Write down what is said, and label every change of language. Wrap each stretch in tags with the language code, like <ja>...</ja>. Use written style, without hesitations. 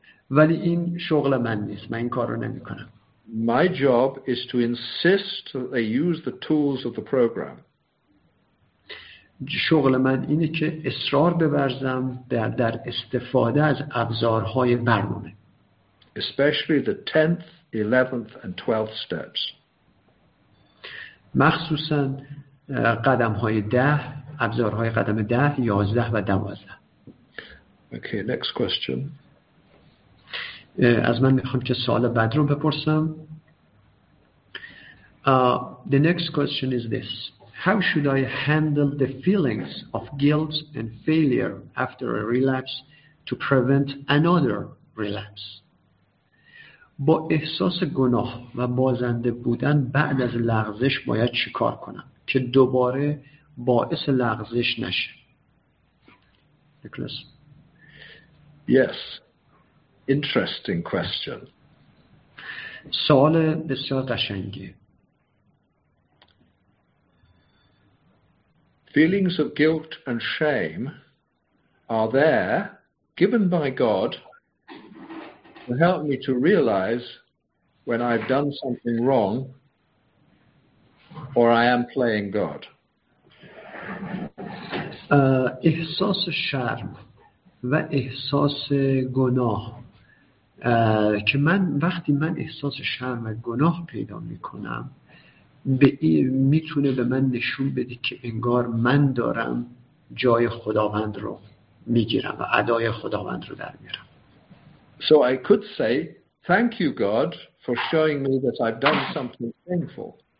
<fa>ولی این شغل من نیست، من این کارو نمی کنم.</fa> <en>My job is to insist that they use the tools of the program.</en> <fa>شغل من اینه که اصرار ببرزم در استفاده از ابزارهای برنامه.</fa> <en>Especially the 10th, 11th and 12th steps.</en> <fa>مخصوصا قدم‌های 10، ابزارهای قدم 10، 11 و 12.</fa> <en>Okay, next question.</en> <fa>از من می‌خوام که سوال بعد رو بپرسم.</fa> <en>The next question is this. How should I handle the feelings of guilt and failure after a relapse to prevent another relapse?</en> <fa>با احساس گناه و بازنده بودن بعد از لغزش باید چی کار کنم که دوباره باعث لغزش نشه؟ نیکلاس.</fa> <en>Yes. Interesting question.</en> <fa>سوال بسیار قشنگی.</fa> <en>Feelings of guilt and shame are there given by God to help me to realize when I've done something wrong or I am playing God.</en> <fa>احساس شرم و احساس گناه که من وقتی من احساس شرم و گناه پیدا می کنم به این میتونه به من نشون بده که انگار من دارم جای خداوند رو میگیرم و ادای خداوند رو در میارم.</fa> <en>So I could say, thank you God for showing me that I've done something painful.</en>